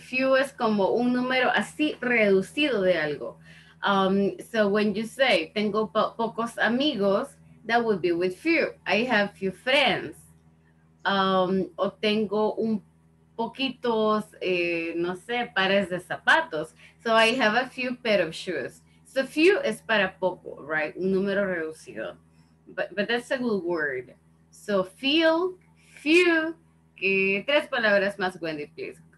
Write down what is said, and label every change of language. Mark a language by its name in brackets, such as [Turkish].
[Spanish] Few es como un número así reducido de algo. [English] So when you say, [Spanish] tengo pocos amigos, [English] that would be with few. I have few friends. [Spanish] O tengo un poquitos, no sé, pares de zapatos. [English] So I have a few pair of shoes. So few [Spanish] es para poco, [English] right? [Spanish] Un número reducido. [English] But that's a good word. [Spanish] So feel, few, que tres palabras más, Wendy, please.